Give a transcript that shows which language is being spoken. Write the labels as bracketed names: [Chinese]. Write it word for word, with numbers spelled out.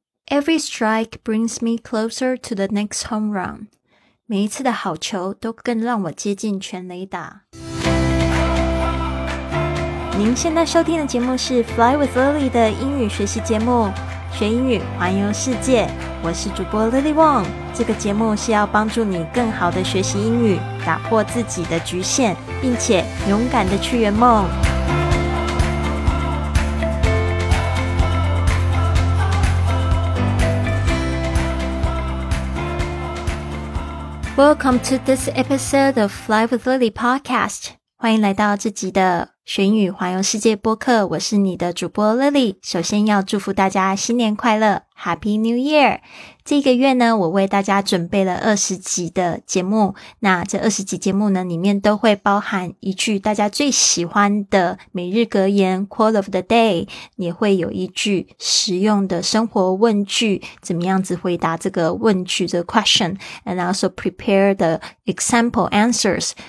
[English] Every strike brings me closer to the next home run. [Chinese] 每一次的好球都更让我接近全垒打。您现在收听的节目是 Fly with Lily 的英语学习节目，学英语环游世界。我是主播 Lily Wong。这个节目是要帮助你更好的学习英语，打破自己的局限，并且勇敢的去圆梦。 [English] Welcome to this episode of Fly with Lily podcast. [Chinese] 欢迎来到这集的学英语环游世界播客，我是你的主播 Lily。首先要祝福大家新年快乐 [English] Happy New Year。 [Chinese] 这个月呢，我为大家准备了二十集的节目，那这二十集节目呢，里面都会包含一句大家最喜欢的每日格言 [English] Quote of the Day， [Chinese] 也会有一句实用的生活问句，怎么样子回答这个问句的 question， [English] and also prepare the example answers。